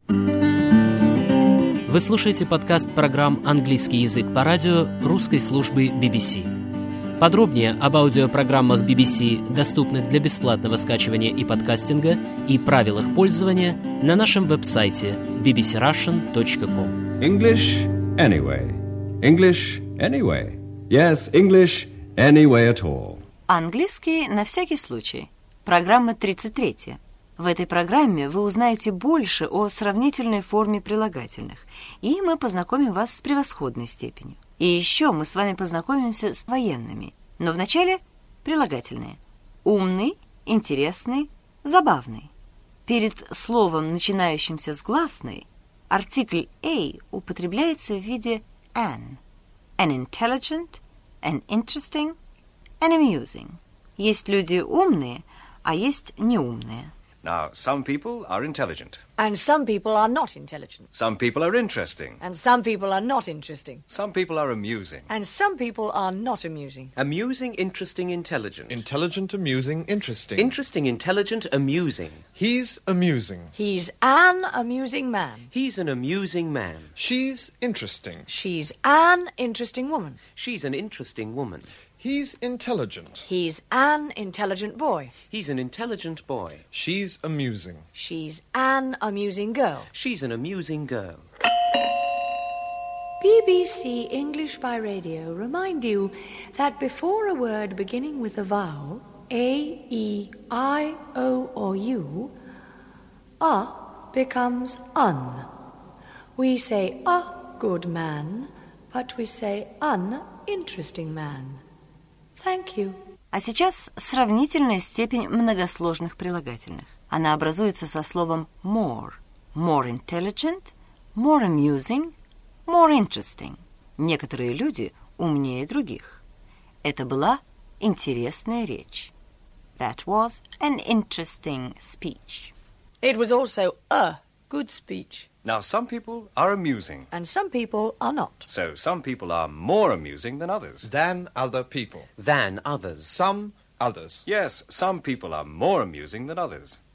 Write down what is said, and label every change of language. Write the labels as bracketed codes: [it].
[ru] Вы слушаете подкаст программ «Английский язык» по радио русской службы BBC. Подробнее об аудиопрограммах BBC, доступных для бесплатного скачивания и подкастинга, и правилах пользования на нашем веб-сайте bbcrussian.com. [en] English anyway. English anyway. Yes, English anyway at all. [ru] Английский на всякий случай. Программа 33. В этой программе вы узнаете больше о сравнительной форме прилагательных, и мы познакомим вас с превосходной степенью. И еще мы с вами познакомимся с военными. Но вначале прилагательные. Умный, интересный, забавный. Перед словом, начинающимся с гласной, артикль «a» употребляется в виде «an». [en] «An intelligent», «an interesting», «an amusing». [ru] Есть люди умные, а есть неумные. [en] Now, some people are intelligent. And some people are not intelligent. Some people are interesting. And some people are not interesting. Some people are amusing. And some people are not amusing. Amusing, interesting, intelligent. Intelligent, amusing, interesting. Interesting, intelligent, amusing. He's amusing. He's an amusing man. He's an amusing man. She's interesting. She's an interesting woman. She's an interesting woman. He's intelligent. He's an intelligent boy. He's an intelligent boy. She's amusing. She's an amusing girl. She's an amusing girl. BBC English by Radio remind you that before a word beginning with a vowel, A, E, I, O, or U, a becomes un. We say a good man, but we say an interesting man. Thank you. [ru] А сейчас сравнительная степень многосложных прилагательных. Она образуется со словом more. [en] More intelligent, more amusing, more interesting. [ru] Некоторые люди умнее других. Это была интересная речь. [en] That was an interesting speech. It was also a good speech. Now, some people are amusing. And some people are not. So, some people are more amusing than others. Than other people. Than others. Some others. Yes, some people are more amusing than others.